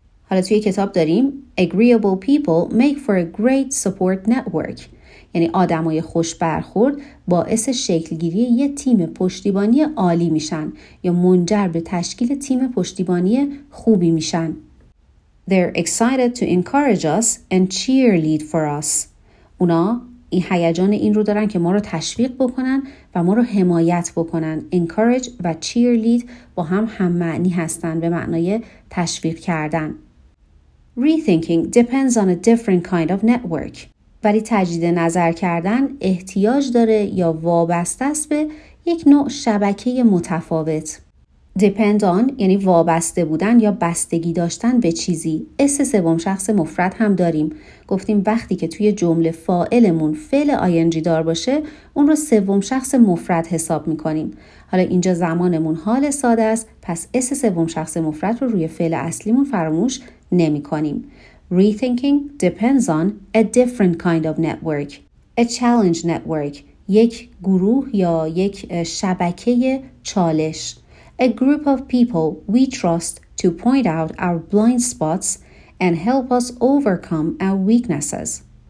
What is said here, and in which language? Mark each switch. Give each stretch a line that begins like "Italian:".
Persian: حالا توی کتاب داریم
English: agreeable people make for a great support network،
Persian: یعنی آدمای خوش برخورد باعث شکل گیری یه تیم پشتیبانی عالی میشن یا منجر به تشکیل تیم پشتیبانی خوبی میشن.
English: They're excited to encourage us and cheerlead for us.
Persian: اونا این هیجان این رو دارن که ما رو تشویق بکنن و ما رو حمایت بکنن. encourage و cheerlead با هم هممعنی هستن، به معنای تشویق کردن.
English: rethinking depends on a different kind of network.
Persian: ولی تجدید نظر کردن احتیاج داره یا وابسته است به یک نوع شبکه متفاوت. depend on یعنی وابسته بودن یا بستگی داشتن به چیزی. اس سوم شخص مفرد هم داریم. گفتیم وقتی که توی جمله فاعلمون فعل ing دار باشه، اون رو سوم شخص مفرد حساب میکنیم. حالا اینجا زمانمون حال ساده است، پس اس سوم شخص مفرد رو روی فعل اصلیمون فراموش نمیکنیم.
English: rethinking depends on a different kind of network. a challenge network،
Persian: یک گروه یا یک شبکه چالش.
English: A group of people we trust to point out our blind spots and help us overcome our weaknesses.